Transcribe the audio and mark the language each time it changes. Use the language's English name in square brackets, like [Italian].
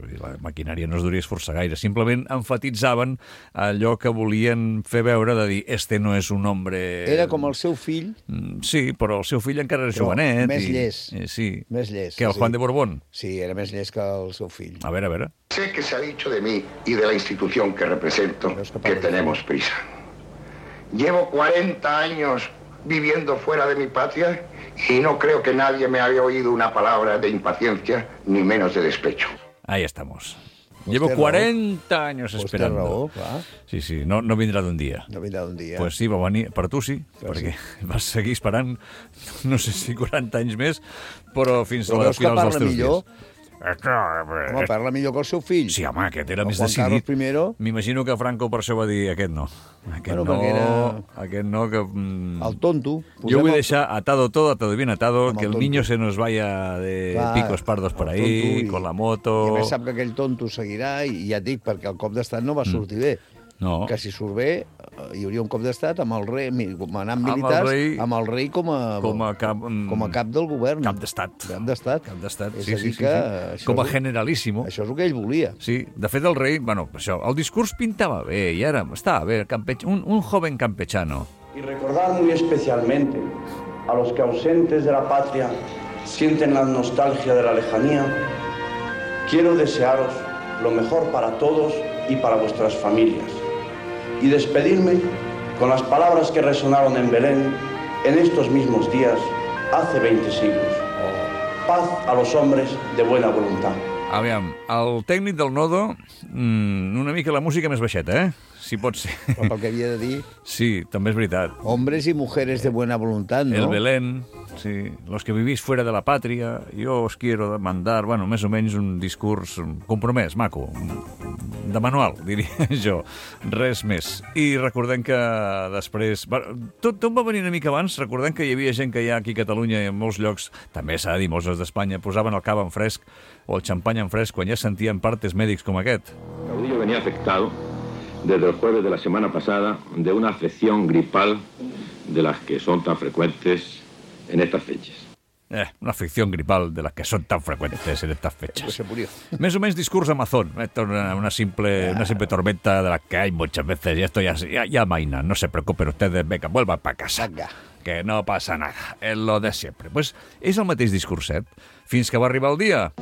[Catalan] La maquinària no es duria esforçar gaire. Simplement enfatitzaven allò que volien fer veure, de dir, [Spanish] este no és un hombre... [Catalan] Era com el seu fill. Sí, però el seu fill encara era jovenet. Més llest. Sí. Més llest. Que el Juan de Borbón. Sí, era més llest que el seu fill. A veure, a veure. [Spanish] Sé que se ha dicho de mí y de la institución que represento que tenemos prisa. Llevo 40 años viviendo fuera de mi patria y no creo que nadie me haya oído una palabra de impaciencia ni menos de despecho. Ahí estamos. Llevo 40 años esperando. [Catalan] Raó, sí, sí, no vindrà d'un dia. No vindrà d'un dia. Pues sí, va venir, per tu sí, perquè vas seguir esperant no sé si 40 anys més, però fins a les finals dels teus dies. Home, parla millor que el seu fill. Sí, home, aquest era més decidit. M'imagino que Franco per això va dir aquest no. Aquest bueno, no, era... aquest no que... El tonto. Jo vull [Spanish] deixar atado todo, atado bien atado, que el niño se nos vaya de picos pardos per ahí, con la moto... [Catalan] I a més sap que aquell tonto seguirà, i ja et dic, perquè el cop d'estat no va sortir bé. No. Que si surt bé, hi hauria un cop d'estat amb el rei, manant militars, amb el rei com a cap del govern. Cap d'estat. És sí, a dir sí, que... Sí. Com a generalíssimo. Això és el que ell volia. Sí, de fet, el rei, bueno, això, el discurs pintava bé, i ara estava bé, [Spanish] un joven campechano. Y recordar muy especialmente a los que ausentes de la patria sienten la nostalgia de la lejanía, quiero desearos lo mejor para todos y para vuestras familias. Y despedirme con las palabras que resonaron en Belén en estos mismos días, hace 20 siglos. Paz a los hombres de buena voluntad. [Catalan] Aviam, el tècnic del Nodo, una mica la música més baixeta, si pot ser. Però pel que havia de dir... Sí, també és veritat. [Spanish] Hombres y mujeres de buena voluntad, ¿no? [Catalan] El Belén, sí. [Spanish] Los que vivís fuera de la patria, yo os quiero demandar... [Catalan] Bueno, més o menys un discurs compromès, maco, de manual, diria jo. Res més. I recordem que després... Tot va venir una mica abans, recordem que hi havia gent que hi ha aquí a Catalunya i en molts llocs, també s'ha de dir, molts d'Espanya, posaven el cava en fresc o el xampany en fresc quan ja sentien partes mèdics com aquest. [Spanish] Caudillo venia afectado desde el jueves de la semana pasada de una afección gripal de las que son tan frecuentes en estas fechas. Una afección gripal de las que son tan frecuentes en estas fechas. Pues se murió. [Catalan] Més o menys discurs Amazon. [Spanish] Esto es una simple tormenta de la que hay muchas veces. Y esto ya maina. No se preocupen ustedes. Venga, vuelvan para casa. Venga. Que no pasa nada. Es lo de siempre. [Catalan] Pues es el mateix discurset. Fins que va arribar el dia.